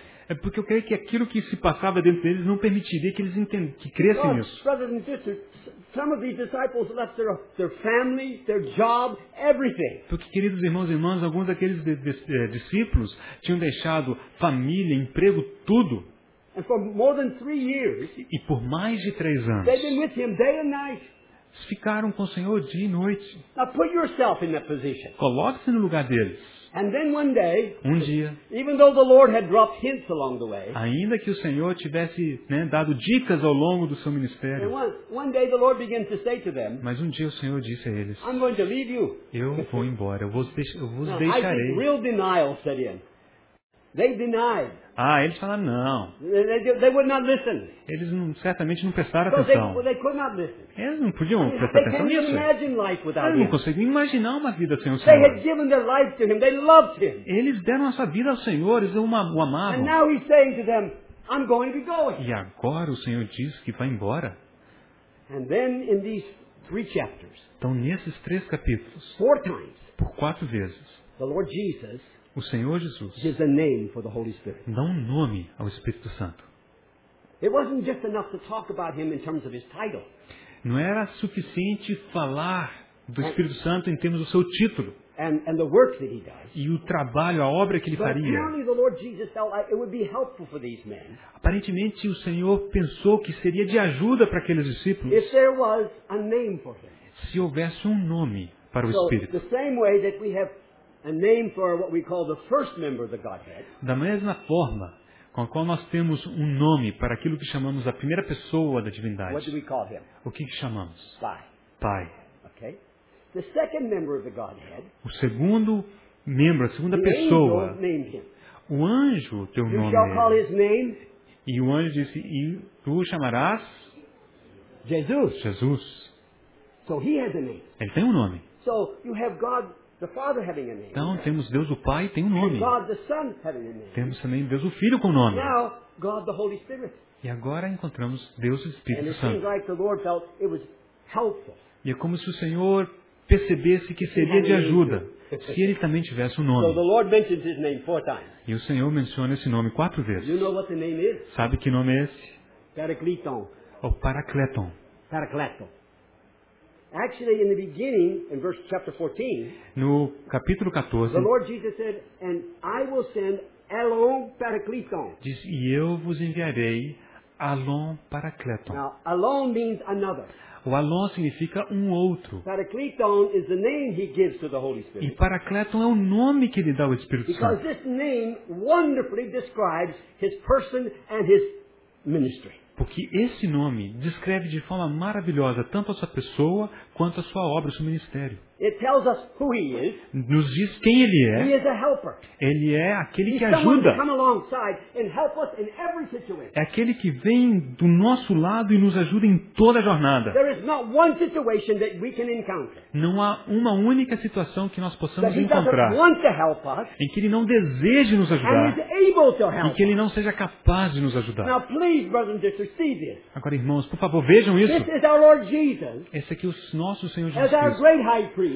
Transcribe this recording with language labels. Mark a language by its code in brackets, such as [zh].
[pt] É porque eu creio que aquilo que se passava dentro deles não permitiria que eles que crescessem nisso. [en] Brothers and sisters, some of these disciples left their family, their job, everything. [pt] Porque, queridos irmãos e irmãs, alguns daqueles discípulos tinham deixado família, emprego, tudo. [en] And for more than 3 years. [pt] E por mais de 3 anos. [en] They've been with him day and night. [pt] Ficaram com o Senhor dia e noite. [en] Now put yourself in that position. [pt] Coloque-se no lugar deles. [en] And then one day, [pt] um dia, [en] even though the Lord had dropped hints along the way, [pt] ainda que o Senhor tivesse, né, dado dicas ao longo do seu ministério, [en] one day the Lord began to say to them, [pt] mas um dia o Senhor disse a eles, [en] I'm going to leave you. [pt] Eu vou embora, eu vos deixarei. [en] Real denial set in. They denied. [pt] Ah, eles falaram não. [en] They would not listen. [pt] Eles certamente não prestaram atenção. [en] They could not listen. [pt] Eles não podiam prestar atenção. [en] They can't imagine life without him. [pt] Não conseguiam imaginar uma vida sem o Senhor. [en] They had given their life to him. They loved him. [pt] Eles deram a sua vida ao Senhor, eles o amavam. [en] And now he's saying to them, I'm going to be going. [pt] E agora o Senhor diz que vai embora. [en] And then in these three chapters. [pt] Então nesses três capítulos. [en] Four times. [pt] Por 4 vezes. [en] The Lord Jesus. [pt] O Senhor Jesus [en] gives a name for the Holy Spirit. [pt] Dá um nome ao Espírito Santo. [en] It wasn't just enough to talk about him in terms of his title. [pt] Não era suficiente falar do Espírito Santo em termos do seu título. [en] And the work that he does. [pt] E o trabalho, a obra que ele faria. [en] Apparently the Lord Jesus felt like it would be helpful for these men. [pt] Aparentemente o Senhor pensou que seria de ajuda para aqueles discípulos. [en] If there was a name for him. [pt] Se houvesse um nome para o Espírito. [en] So, the same way that we have a name for what we call the first member of the Godhead. [pt] Da mesma forma com a qual nós temos um nome para aquilo que chamamos a primeira pessoa da divindade. [en] What do we call him? [pt] O que chamamos? Pai. Pai. [en] Okay. The second member of the Godhead. [pt] O segundo membro, a segunda pessoa. [en] The angel named him. [pt] O anjo deu um nome. [en] You shall call his name. [pt] E o anjo disse, e tu o chamarás [en] Jesus. [pt] Jesus. [en] So he has a name. [pt] Ele tem um nome. [en] So you have God. The Father having a name. [pt] Então temos Deus o Pai, tem um nome. [en] And God, the Son, having a name. [pt] Temos também Deus o Filho com nome. [en] Now, God, the Holy Spirit. [pt] E agora encontramos Deus o Espírito [en] and it [pt] Santo. [en] Seems like the Lord felt it was helpful. [pt] E é como se o Senhor percebesse que seria de ajuda se ele também tivesse um nome. [en] So the Lord mentions his name 4 times. [pt] E o Senhor menciona esse nome 4 vezes. [en] You know what the name is? [pt] Sabe que nome é esse? [en] Paracleton. [pt] O Paracleton. [en] Paracleton. Actually, in the beginning, in verse chapter 14, [pt] no capítulo 14, [en] the Lord Jesus said, "And I will send Alon Paracleton." [pt] Diz, e eu vos enviarei Alon Paracleton. [en] Now, Alon means another. [pt] O Alon significa um outro. [en] Paracleton is the name he gives to the Holy Spirit. [pt] E Paracleton é o nome que ele dá ao Espírito Santo. [en] Because this name wonderfully describes his person and his ministry. [pt] Porque esse nome descreve de forma maravilhosa tanto a sua pessoa quanto a sua obra, o seu ministério. [en] It tells us who he is. [pt] Nos diz quem ele é. [en] He is a helper. [pt] Ele é aquele que ajuda. [en] Someone to come alongside and help us in every situation. [pt] É aquele que vem do nosso lado e nos ajuda em toda a jornada. [en] There is not one situation that we can encounter. [pt] Não há uma única situação que nós possamos encontrar [en] that he doesn't want to help us, [pt] em que ele não deseje nos ajudar [en] and is able to help [pt] e que ele não seja capaz de nos ajudar. [en] Now, please, brothers and sisters, see this. [pt] Agora, irmãos, por favor, vejam isso. [en] This is our Lord Jesus, [pt] esse aqui é o nosso Senhor Jesus [en] as our great high priest,